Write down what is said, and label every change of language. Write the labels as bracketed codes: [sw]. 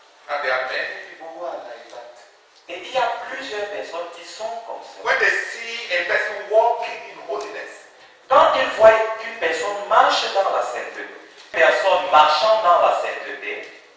[en] And there are many people who are like that. [fr] Et il y a plusieurs personnes qui sont comme cela. [en] When they see a person walking in holiness, [fr] quand ils voient qu'une personne marche dans la sainteté, personne marchant dans la sainteté,